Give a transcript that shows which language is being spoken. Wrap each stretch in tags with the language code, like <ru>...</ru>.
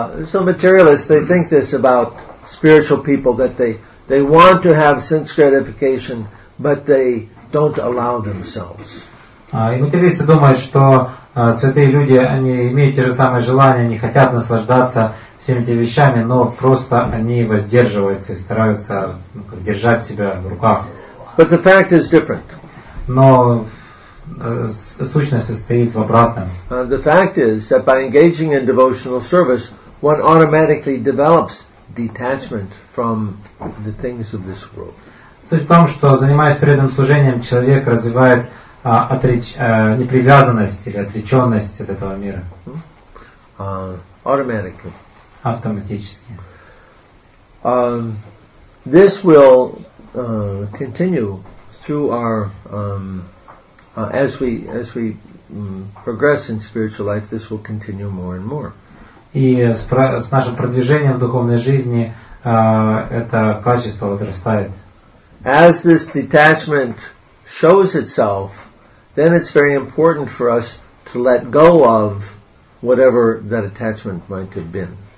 <en>So materialists, they think this about spiritual people, that they want to have sense gratification, but they don't allow themselves.</en> <ru>И материалисты думают, что святые люди, они имеют те же самые желания, они хотят наслаждаться всеми этими вещами, но просто они воздерживаются и стараются держать себя в руках.</ru> <en>But the fact is different.</en> <ru>Но сущность состоит в обратном.</ru> <en>The fact is that by engaging in devotional service, one automatically develops detachment from the things of this world.</en> <ru>Суть в том, что занимаясь преданным служением, человек развивает непривязанность или отреченность от этого мира.</ru> <en>Automatically.</en> <ru>Автоматически.</ru> <en>This will continue through our as we progress in spiritual life, this will continue more and more.</en> <ru>И с нашим продвижением в духовной жизни это качество возрастает.</ru> <en>As this detachment shows itself, then it's very important for us to let go of whatever that attachment might have been.</en>